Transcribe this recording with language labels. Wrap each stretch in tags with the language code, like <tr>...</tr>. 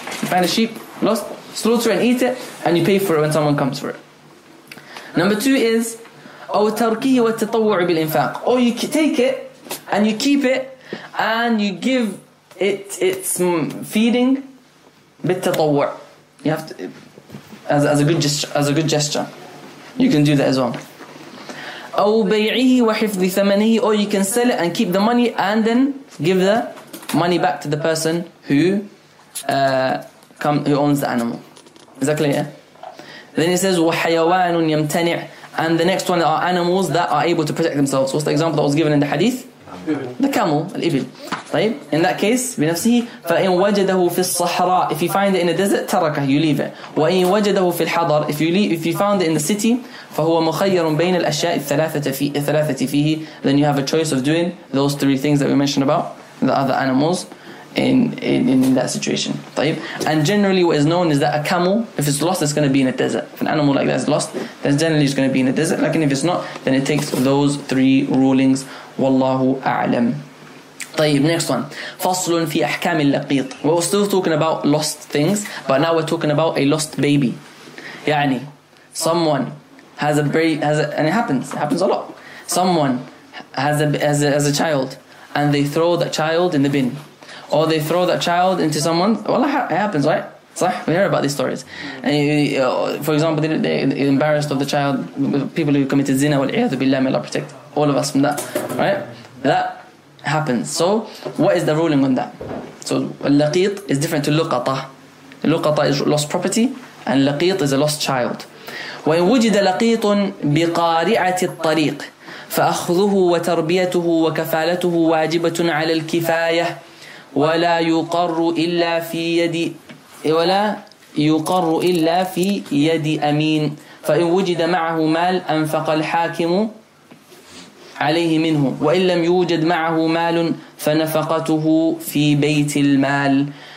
<en>You find a sheep, lost, slaughter and eat it, and you pay for it when someone comes for it. Number two is</en> <ar>أو تركه والتطوع بالإنفاق.</ar> <en>Or you take it and you keep it and you give it its feeding</en> <ar>بالتطوع.</ar> <en>You have to as a good gesture. You can do that as well.</en> <ar>أو بيعه وحفظ ثمنه.</ar> <en>Or you can sell it and keep the money and then give the money back to the person who owns the animal. Is that clear? Then it says</en> <ar>وحيوان يمتنع.</ar> <en>And the next one are animals that are able to protect themselves. What's the example that was given in the hadith? The camel, al-ibil. طيب. In that case,</en> <ar>بنفسه فإن وجده في الصحراء.</ar> <en>If you find it in a desert,</en> <ar>تركه,</ar> <en>you leave it.</en> <ar>وإن وجده في الحضر.</ar> <en>If you found it in the city,</en> <ar>فهو مخير بين الأشياء الثلاثة فيه.</ar> <en>Then you have a choice of doing those three things that we mentioned about the other animals in that situation.</en> <ar>طيب.</ar> <en>And generally, what is known is that a camel, if it's lost, it's going to be in a desert. If an animal like that is lost, then generally it's going to be in a desert. Like, and if it's not, then it takes those three rulings.</en> <ar>Wallahu a'lam. طيب,</ar> <en>next one.</en> <ar>فصل في أحكام اللقيط.</ar> <en>We're still talking about lost things, but now we're talking about a lost baby. يعني, someone has a baby, and it happens a lot. Someone has a child, and they throw that child in the bin, or they throw that child into someone. Wallah, it happens, right? صح? We hear about these stories. And for example, they're embarrassed of the child, people who committed zina,</en> <ar>وَالْعِيَاذُ بِاللَّهِ مَا لَا</ar> <en>protect. All of us from that, right? That happens. So, what is the ruling on that? So, al-laqit is different to luqata. Luqata is lost property, and laqit is a lost child.</en> <ar>وَإِن وُجِدَ لَقِيطٌ بِقَارِعَةِ الطَّرِيقِ فَأَخْذُهُ وَتَرْبِيَتُهُ وَكَفَالَتُهُ وَاجِبَةٌ عَلَى الْكِفَايَةِ وَلَا يُقَرُّ إِلَّا فِي يَدِ أَمِينٍ فَإِن وُجِدَ مَعَهُ مَالٌ أَنْفَقَ الْحَاكِمُ عليه منه وإن لم يوجد معه مال فنفقته في بيت المال.</ar>